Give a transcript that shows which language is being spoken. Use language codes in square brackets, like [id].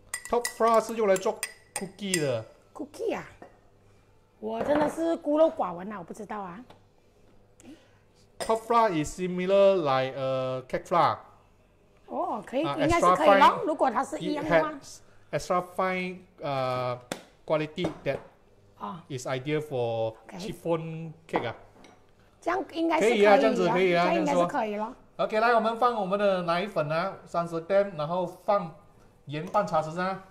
[zh] Top flour 是用来做 cookie 的。 Cookie 啊？我真的是孤陋寡闻啊，我不知道啊。 [en] Top flour is similar like cake flour. [zh] 哦、oh, ，可以，应该是可以咯。如果它是一样的话 [en] ，extra fine quality that、 oh. is ideal for、 okay. chiffon cake 啊。 [zh] 这样应该是可以啊，这样子可以啊，应该是可以咯。 OK， 来，我们放我们的奶粉啊，30g， 然后放盐半茶匙噻。